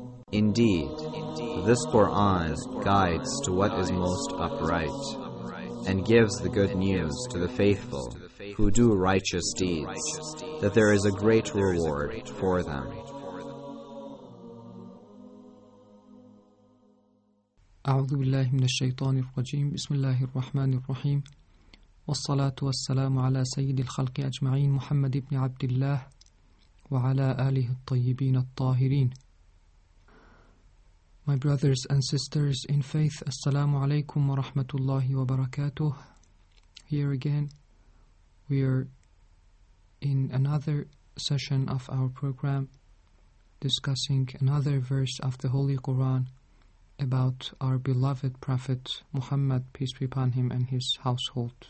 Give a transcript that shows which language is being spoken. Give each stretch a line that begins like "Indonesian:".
English: Indeed, this Quran guides to what is most upright and gives the good news to the faithful who do righteous deeds, that there is a great reward for them.
Arabic: أعوذ بالله من الشيطان الرجيم بسم الله الرحمن الرحيم والصلاة والسلام على سيد الخلق أجمعين محمد بن عبد الله وعلى آله الطيبين الطاهرين.
English: My brothers and sisters in faith,
Arabic: السلام عليكم ورحمة الله وبركاته.
English: Here again, we are in another session of our program discussing another verse of the Holy Quran about our beloved Prophet Muhammad, peace be upon him, and his household.